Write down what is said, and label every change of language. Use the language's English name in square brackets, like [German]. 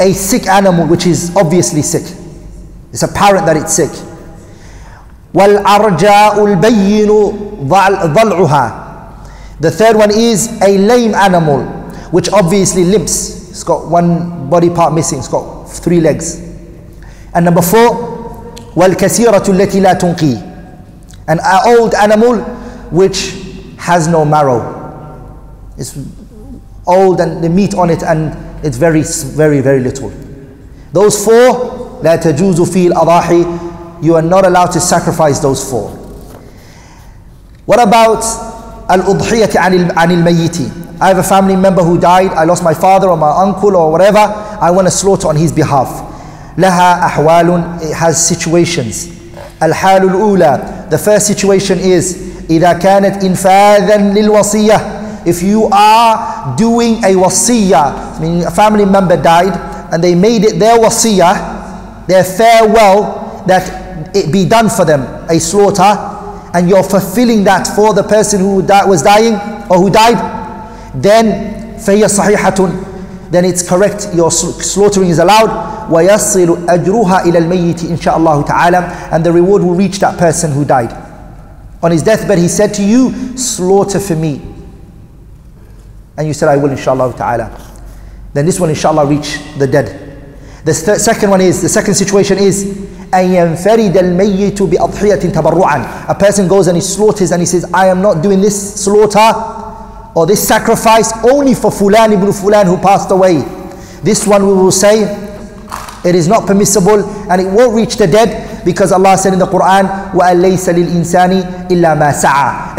[English] A sick animal, which is obviously sick. It's apparent that it's sick. [Arabic] وَالْعَرْجَاءُ الْبَيِّنُ ضَلْعُهَا. [English] The third one is a lame animal, which obviously limps. It's got one body part missing. It's got three legs. And number four, [Arabic] وَالْكَسِيرَةُ الَّتِي لَا تُنْقِي. [English] An old animal which has no marrow. It's old and the meat on it, and it's very, very, very little. Those four, [Arabic] لَا تَجُوزُ فِي الْأَضَاحِي. [English] You are not allowed to sacrifice those four. What about al-Udhiyah anil mayyiti? I have a family member who died. I lost my father or my uncle or whatever. I want to slaughter on his behalf. [Arabic] Laha ahwalun. [English] It has situations. [Arabic] Al-halul ula. [English] The first situation is [Arabic] إذا كانت infadhan للوصية. [English] If you are doing a wasiya, meaning a family member died and they made it their wasiya, their farewell, that it be done for them, a slaughter, and you're fulfilling that for the person who was dying or who died, then [Arabic] فهي صحيحة. [English] Then it's correct, your slaughtering is allowed. [Arabic] ويصل أجرها إلى الميت إن شاء الله تعالى. [English] And the reward will reach that person who died. On his deathbed, he said to you, slaughter for me. And you said, I will, inshallah ta'ala. Then this one, inshallah, reach the dead. The second situation is, [Arabic] أن ينفرد الميت بأضحية تبرعا. [English] A person goes and he slaughters and he says, I am not doing this slaughter or this sacrifice only for Fulan ibn Fulan who passed away. This one we will say, it is not permissible and it won't reach the dead, because Allah said in the Qur'an, [Arabic] وَأَلَّيْسَ لِلْإِنسَانِ إِلَّا مَا سَعَى.